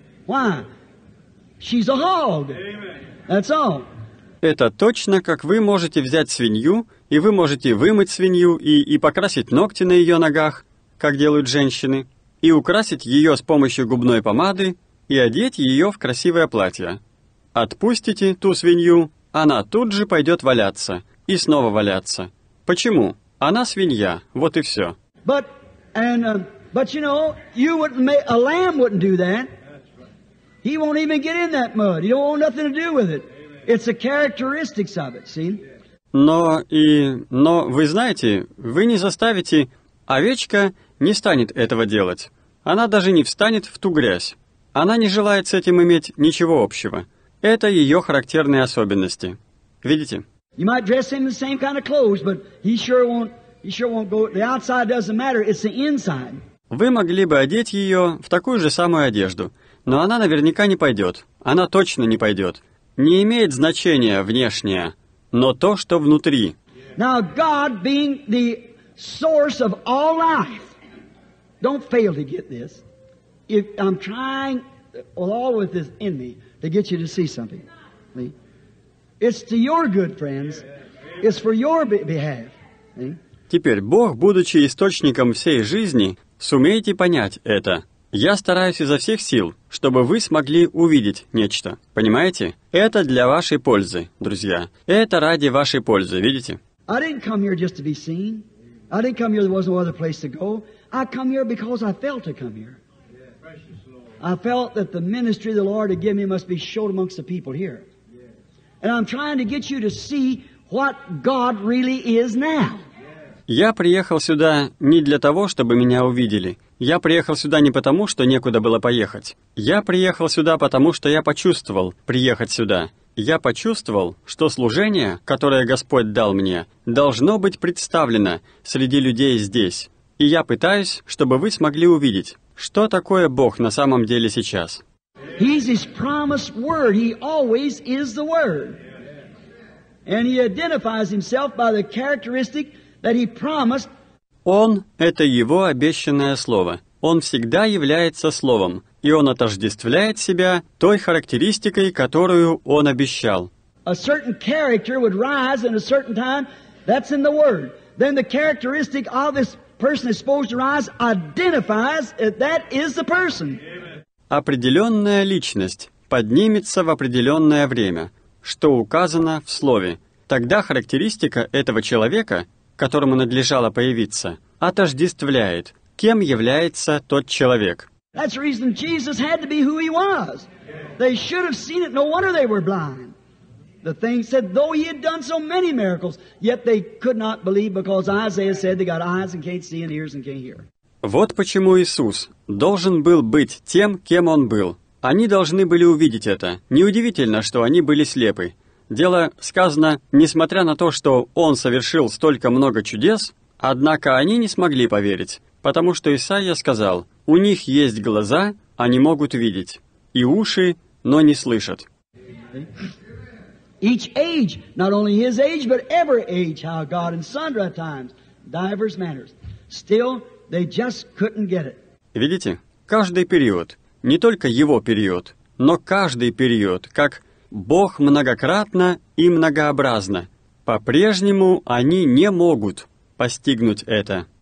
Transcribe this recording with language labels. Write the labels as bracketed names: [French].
[English] Why? She's a hog. That's all. [Russian] Это точно, как вы можете взять свинью, и вы можете вымыть свинью и покрасить ногти на ее ногах, как делают женщины, и украсить ее с помощью губной помады и одеть ее в красивое платье. Отпустите ту свинью, она тут же пойдет валяться и снова валяться. Почему? Она свинья, вот и все. [English] But you know, you wouldn't make a lamb wouldn't do that. He won't even get in that mud. He don't want nothing to do with it. It's the characteristics of it, see? [Russian] Но вы знаете, вы не заставите овечка не станет этого делать. Она даже не встанет в ту грязь. Она не желает с этим иметь ничего общего. Это ее характерные особенности. Видите? [English] You might dress him in the same kind of clothes, but he sure won't go. The outside doesn't matter. It's the inside. [Russian] Вы могли бы одеть ее в такую же самую одежду. Но она наверняка не пойдет. Она точно не пойдет. Не имеет значения внешнее, но то, что внутри. [English] Now God being the source of all life, don't fail to get this. If I'm trying all with this in me to get you to see something, it's to your good friends. It's for your behalf. [Russian] Теперь Бог, будучи источником всей жизни, сумеете понять это. Я стараюсь изо всех сил, чтобы вы смогли увидеть нечто. Понимаете? Это для вашей пользы, друзья. Это ради вашей пользы, видите? [English] I didn't come here just to be seen. I didn't come here, there was no other place to go. I come here because I felt to come here. I felt that the ministry the Lord had given me must be showed amongst the people here. And I'm trying to get you to see what God really is now. [Russian] Я приехал сюда не для того, чтобы меня увидели. Я приехал сюда не потому, что некуда было поехать. Я приехал сюда потому, что я почувствовал приехать сюда. Я почувствовал, что служение, которое Господь дал мне, должно быть представлено среди людей здесь. И я пытаюсь, чтобы вы смогли увидеть, что такое Бог на самом деле сейчас. [English] He's His promised word. He always is the word. And He identifies Himself by the characteristic that He promised. [Russian] Он — это Его обещанное Слово. Он всегда является Словом, и Он отождествляет Себя той характеристикой, которую Он обещал. [English] A certain character would rise in a certain time. That's in the Word. Then the characteristic of this person is supposed to rise identifies that that is the person. [Russian] Определенная личность поднимется в определенное время, что указано в Слове. Тогда характеристика этого человека, которому надлежало появиться, отождествляет, кем является тот человек. [English] That's the reason Jesus had to be who He was. They should have seen it. No wonder they were blind. The thing said, though He had done so many miracles, yet they could not believe because Isaiah said they got eyes and can't see and ears and can't hear. [Russian] Вот почему Иисус должен был быть тем, кем Он был. Они должны были увидеть это. Неудивительно, что они были слепы. Дело сказано, несмотря на то, что Он совершил столько много чудес, однако они не смогли поверить, потому что Исаия сказал, «У них есть глаза, они могут видеть, и уши, но не слышат». [English] Each age, not only his age, but every age, how God in sundry times, divers manners, still they just couldn't get it. [Russian] Видите, каждый период, не только его период, но каждый период, как Бог многократно и многообразно, по-прежнему они не могут постигнуть это.